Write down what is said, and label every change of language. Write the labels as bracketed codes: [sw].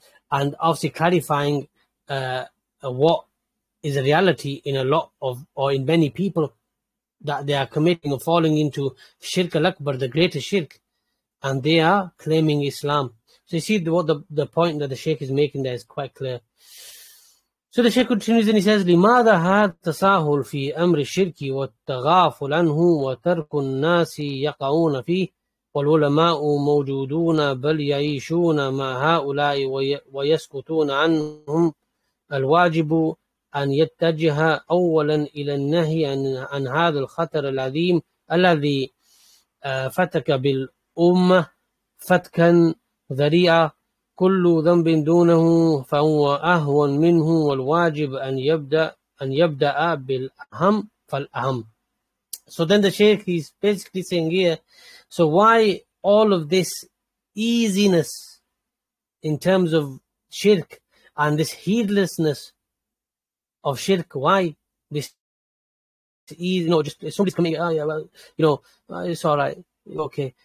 [en] And obviously clarifying what is a reality in a lot of, or in many people, that they are committing or falling into shirk al-akbar, the greatest shirk, and they are claiming Islam. So you see what the point that the Shaykh is making there is quite clear. So the Shaykh continues and he says, [ar] لماذا هذا تساهل في أمر الشرك والتغافل عنه وترك الناس يقعون فيه والعلماء موجودون بل يعيشون مع هؤلاء ويسكتون عنهم. الواجب أن يتجه أولا إلى النهي عن هذا الخطر العظيم الذي فتك بالأمة فتكا ذريعا. كل ذنب دونه فهو أهون منه. والواجب أن يبدأ بالأهم فالأهم. [en] So then the Shaykh is basically saying here, so why all of this easiness in terms of shirk and this heedlessness of shirk? Why this easy? No, just if somebody's coming, it's all right, okay.